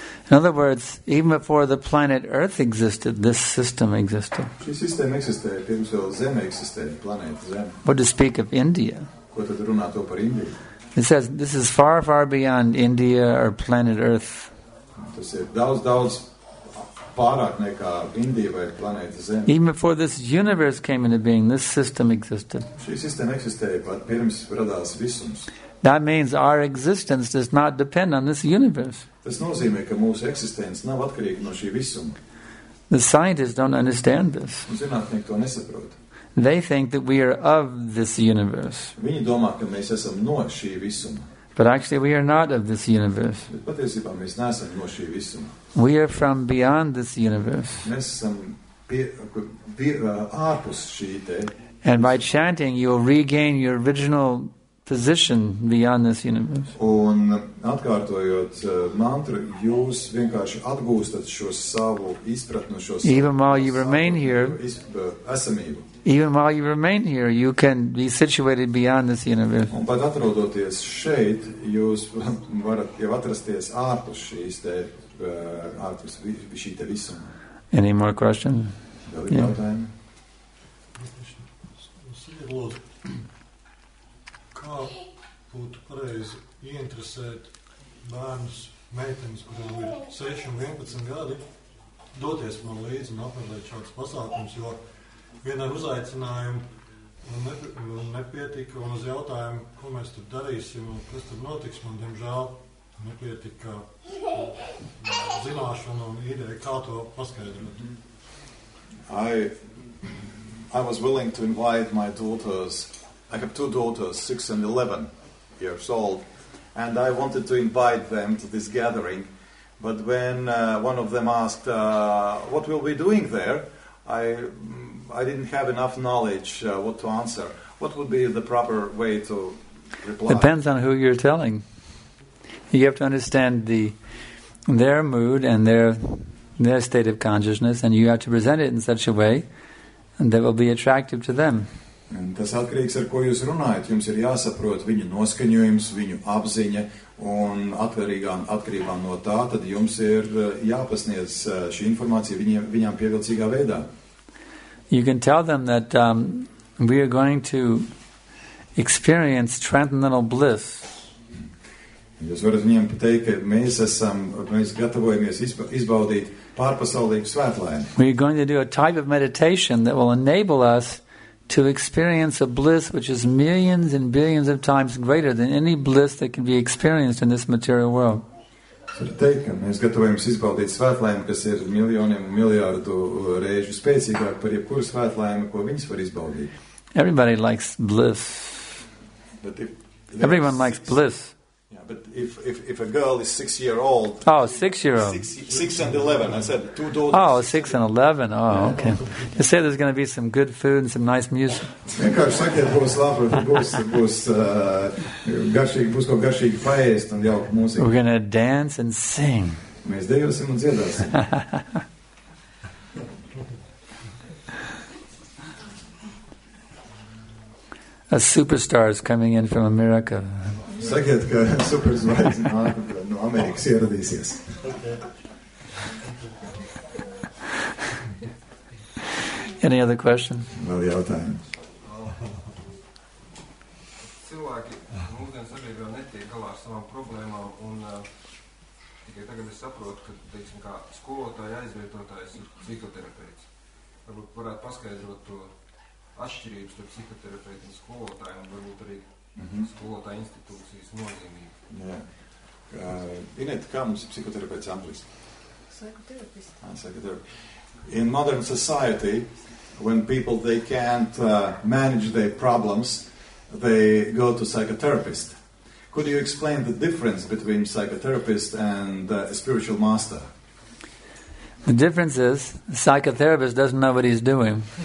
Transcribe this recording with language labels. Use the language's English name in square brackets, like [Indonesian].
[English] In other words, even before the planet Earth existed, this system existed. [Latvian] Šī sistēma eksistēja pirms vēl Zeme eksistēja, planēta Zeme. [English] What to speak of India? [Latvian] Ko tad runā to par Indiju? [English] It says this is far, far beyond India or planet Earth. [Latvian] Tas ir daudz, daudz pārāk nekā Indija vai planēta Zeme. [English] Even before this universe came into being, this system existed. [Latvian] Šī sistēma eksistēja pat pirms radās visums. [English] That means our existence does not depend on this universe. [Latvian] Tas nozīmē, ka mūsu eksistence nav atkarīga no šī visuma. [English] The scientists don't understand this. [Latvian] Zinātnieki to nesaprot. [English] They think that we are of this universe. [Latvian] Viņi domā, ka mēs esam no šī visuma. [English] But actually we are not of this universe. [Latvian] Bet patiesībā mēs neesam no šī visuma. [English] We are from beyond this universe. [Latvian] Mēs esam ārpus šī te. [English] And by chanting you'll regain your original position beyond this universe. [Latvian] Un atkārtojot mantru, jūs vienkārši atgūstat šo savu izpratni, šo savu. [English] Even while you remain here, [Latvian] esamību. [English] Even while you remain here, you can be situated beyond this universe. [Latvian] Un pat atrodoties šeit, jūs varat jau atrasties ārpus šīs te, ārpus šī te visuma. [English] Any more questions? Yeah. [Latvian] Kā būtu pareizi ieinteresēt bērnus, meitenes, kuriem ir 6 un 11 gadi, doties man līdzi un apmeklēt šāds pasākums, jo vien ar uzaicinājumu nepietika un uz jautājumu, ko mēs tur darīsim un kas tur notiks, man diemžēl nepietika zināšana un ideja, kā to paskaidrot. [English] I was willing to invite my daughters. I have two daughters, 6 and 11 years old, and I wanted to invite them to this gathering, but when one of them asked, what will we doing there, I didn't have enough knowledge what to answer. What would be the proper way to reply? Depends on who you're telling. You have to understand their mood and their state of consciousness, and you have to present it in such a way that will be attractive to them. [Latvian] Un tas atkarīgs, ar ko jūs runājat, jums ir jāsaprot viņu noskaņojums, viņu apziņa, un atkarībā no tā, tad jums ir jāpasniedz šī informācija viņām pievilcīgā veidā. [English] You can tell them that we are going to experience transcendental bliss. [Latvian] Jūs varat viņiem pateikt, ka mēs gatavojamies izbaudīt pārpasaulīgu svētlaini. [English] We are going to do a type of meditation that will enable us to experience a bliss which is millions and billions of times greater than any bliss that can be experienced in this material world. [Latvian] Mēs gatavojamies izbaudīt svētlaimi, kas ir miljoniem un miljārdu reižu spēcīgāk par jebkuru svētlaimi, ko viņas var izbaudīt. [English] Everybody likes bliss. Everyone likes bliss. Yeah, but if a girl is 6 year old. Oh, 6 year old. Six and 11. I said two daughters. Oh, six and 11. Oh, okay. You said there's going to be some good food and some nice music. [Latvian] Vienkārši sakiet, būs labi, būs garšīgi, būs kaut garšīgi paēst un jauka mūzika. [English] We're going to dance and sing. [Latvian] Mēs dejosim un dziedāsim. [English] A superstar is coming in from America. [Latvian] Sakiet, ka superzvaigznes no Amerikas ieradīsies. [English] Okay. Any other questions? [Latvian] Vēl jautājumi. Cilvēki mūsdien sabiedrībā netiek galā ar savām problēmām, un Tikai tagad es saprotu, ka, teiksim, kā skolotāji, aizvietotājs ir psihoterapeits. Varbūt varētu paskaidrot to atšķirības tarp psihoterapeita un skolotāja un varbūt arī skolotāja institūcijas nozīmību. Jā. Inet, kā mums ir psihoterapeits angliski? [English] Psychotherapist. In modern society, when people, they can't manage their problems, they go to psychotherapist. Could you explain the difference between psychotherapist and a spiritual master? The difference is, psychotherapist doesn't know what he's doing.